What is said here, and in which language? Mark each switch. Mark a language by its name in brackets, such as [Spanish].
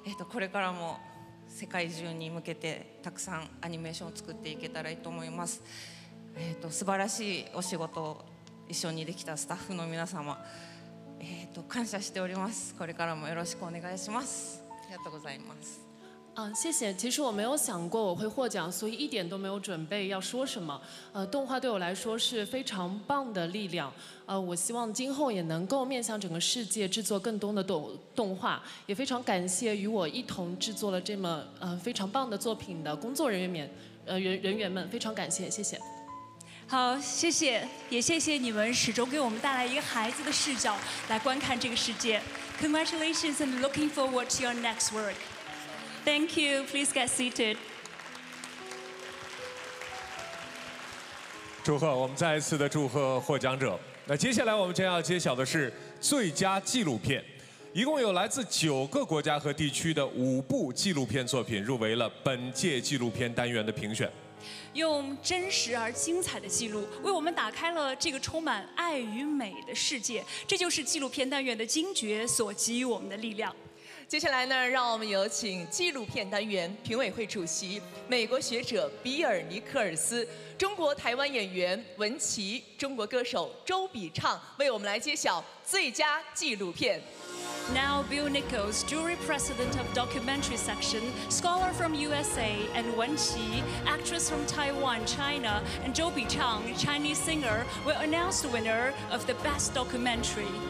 [Japanese] これからも世界中に向けてたくさんアニメーションを作っていけたらいいと思います。素晴らしいお仕事を一緒にできたスタッフの皆様、感謝しております。これからもよろしくお願いします。ありがとうございます。 [Chinese] 谢谢。其实我没有想过我会获奖，所以一点都没有准备要说什么。动画对我来说是非常棒的力量。我希望今后也能够面向整个世界制作更多的动画。也非常感谢与我一同制作了这么非常棒的作品的工作人员们，人员们非常感谢，谢谢。好，谢谢，也谢谢你们始终给我们带来一个孩子的视角来观看这个世界。 [English] Congratulations and looking forward to your next work. Thank you. Please get seated. [Chinese] 祝贺，我们再一次的祝贺获奖者。那接下来我们将要揭晓的是最佳纪录片，一共有来自九个国家和地区的五部纪录片作品入围了本届纪录片单元的评选。用真实而精彩的记录为我们打开了这个充满爱与美的世界，这就是纪录片单元的精绝所给予我们的力量。接下来呢，让我们有请纪录片单元评委会主席、美国学者比尔·尼克尔斯、中国台湾演员文琪、中国歌手周笔畅为我们来揭晓最佳纪录片。 [English] Now Bill Nichols, Jury President of Documentary Section, Scholar from USA, and Wen Qi, Actress from Taiwan, China, and Zhou Bichang, Chinese singer, will announce the winner of the Best Documentary.